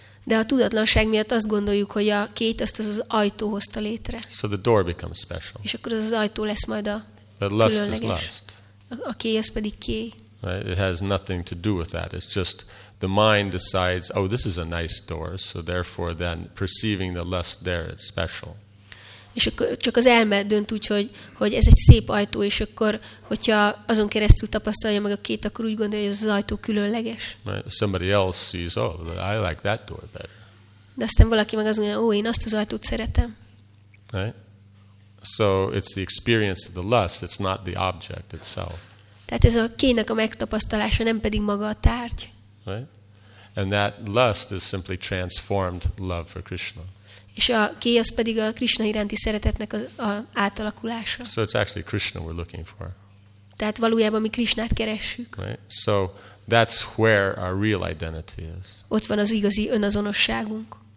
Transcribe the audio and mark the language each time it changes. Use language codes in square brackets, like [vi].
[hu] De a tudatlanság miatt azt gondoljuk, hogy a kéjt azt az ajtó hozta létre. [en] So the door becomes special. [hu] És akkor az az ajtó lesz majd a [en] But [hu] különleges. [en] Lust is lust. [hu] A kéj az pedig kéj. [en] Right? It has nothing to do with that. It's just the mind decides, oh, this is a nice door, so therefore then perceiving the lust there, it's special. [hu] És akkor csak az elme dönt úgy, hogy ez egy szép ajtó, és akkor, hogyha azon keresztül tapasztalja meg a kéjt, akkor úgy gondolja, hogy ez az ajtó különleges. [en] Right? Somebody else sees, oh, I like that door better. [hu] De aztán valaki meg azt mondja, ó, én azt az ajtót szeretem. [en] Right? So it's the experience of the lust, it's not the object itself. [hu] Tehát ez a kénynek a megtapasztalása, nem pedig maga a tárgy. [en] Right? And that lust is simply transformed love for Krishna. [hu] És a kény az pedig a Krishna iránti szeretetnek a átalakulása. [en] So it's actually Krishna we're looking for. [hu] Tehát valójában mi Krishnát keressük. [en] Right? So that's where our real identity is. [hu] Ott van az igazi önazonosságunk.